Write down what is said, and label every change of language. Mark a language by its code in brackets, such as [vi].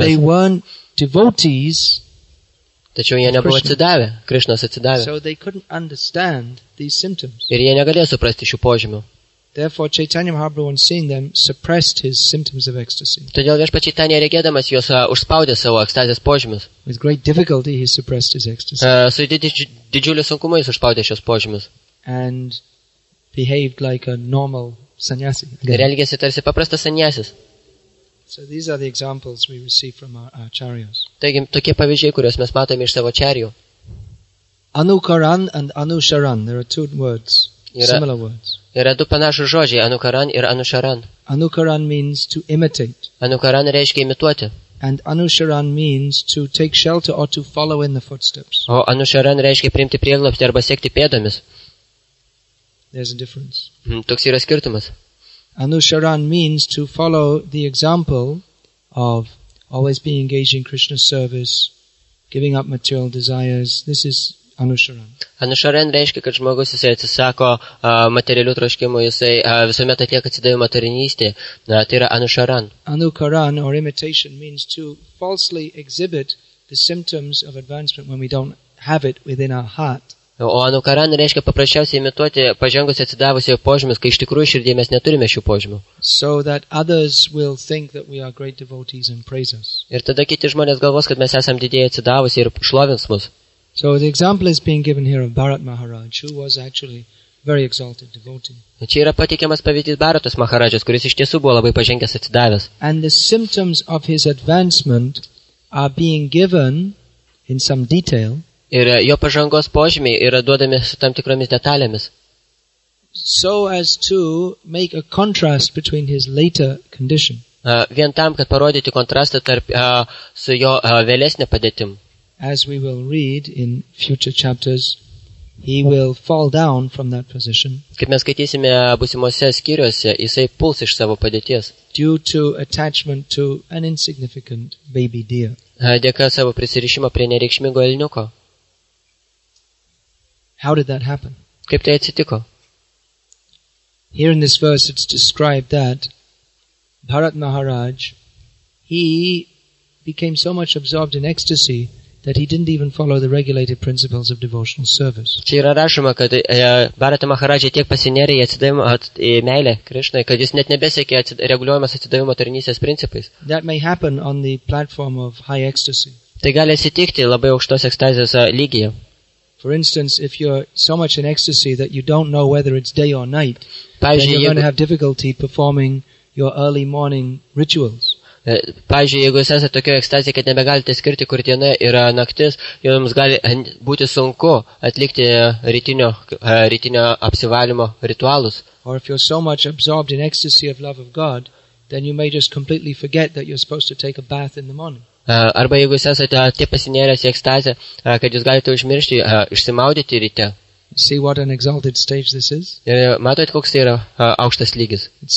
[en] But they weren't devotees. [lt] Tačiau jie nebuvo atsidavę, Krišnas atsidavė. [en] So they couldn't understand these symptoms. [lt] Ir jie negalėjo suprasti šių požymių. [en] Therefore, Chaitanya Mahaprabhu, when seeing them, suppressed his symptoms of ecstasy. [lt] Todėl viešpats Chaitanya, regėdamas juos, užspaudė savo ekstazės požymius. [en] With great difficulty, he suppressed his ecstasy. [lt] Su didžiuliu sunkumu jis užspaudė šios požymius. [en] And behaved like a normal sannyasi. [lt] Ir elgėsi tarsi paprastas sannyasis. [en] So these are the examples we receive from our acharyas. [lt] Taigi, tokie pavyzdžiai, kuriuos mes matome iš savo acharyų. [en] Anukaran and anusharan, there are 2 words. Similar words. [lt] Yra du panašus žodžiai, anukaran ir anusharan. [en] Anukaran means to imitate. [lt] Anukaran reiškia imituoti. [en] And anusharan means to take shelter or to follow in the footsteps. [lt] O anusharan reiškia priimti prieglobstį arba sekti pėdomis. [en] There's a difference. [lt] Toks yra skirtumas. [en] Anusharan means to follow the example of always being engaged in Krishna's service, giving up material desires. This is [lt] Anusharan reiškia, kad žmogus jisai atsisako materialių troškimų, jisai visuomet atlieka atsidavimą tarnystę. Tai yra anusharan. [en] Anukaran or imitation means to falsely exhibit the symptoms of advancement when we don't have it within our heart. [lt] O anukaran reiškia paprasčiausiai imituoti pažengusį atsidavusį požymius, kai iš tikrųjų širdyje mes neturime šių požymių. [en] So that others will think that we are great devotees and praise us. [lt] Ir tada kiti žmonės galvos, kad mes esam didieji atsidavusi ir šlovins mus. [en] So the example is being given here of Bharat Maharaj, who was actually very exalted devotee. [lt] Čia yra pateikiamas pavyzdys Bharatos Maharajos, kuris iš tiesų buvo labai pažengęs atsidavęs. [en] And the symptoms of his advancement are being given in some detail. [lt] Ir jo pažangos požymiai yra duodami su tam tikromis detalėmis. [en] So as to make a contrast between his later condition. [lt] Vien tam, kad parodyti kontrastą tarp su jo vėlesnė padėtim. [en] As we will read in future chapters, he will fall down from that position. [lt] Kaip mes skaitysime būsimose skyriuose, jisai puls iš savo padėties. [en] Due to attachment to an insignificant baby deer. [lt] Dėka savo prisirišimo prie nereikšmingo elniuko. [en] How did that happen? [lt] Kaip tai atsitiko? [en] Here in this verse it's described that Bharat Maharaj, he became so much absorbed in ecstasy that he didn't even follow the regulated principles of devotional service. [lt] Čia yra rašoma, kad Bharata Maharaja tiek pasinėrė į meilę Krišnai, kad jis net nebesiekė reguliuojamas atsidavimo tarnystės principais. [en] That may happen on the platform of high ecstasy. [lt] Tai gali atsitikti labai aukštos ekstazės lygyje. [en] For instance, if you're so much in ecstasy that you don't know whether it's day or night, then you're going to have difficulty performing your early morning rituals. [lt] Pavyzdžiui, jeigu jūs esate tokioje ekstazijoje, kad nebegalite skirti, kur diena yra naktis, jums gali būti sunku atlikti rytinio apsivalymo ritualus. [en] Or if you're so much absorbed in ecstasy of love of God, then you may just completely forget that you're supposed to take a bath in the morning. [lt] Arba jeigu jūs esate taip pasinėręs į ekstaziją, kad jūs galite užmiršti išsimaudyti ryte. [en] See what an exalted stage this is? [lt] Matote, koks tai yra aukštas lygis?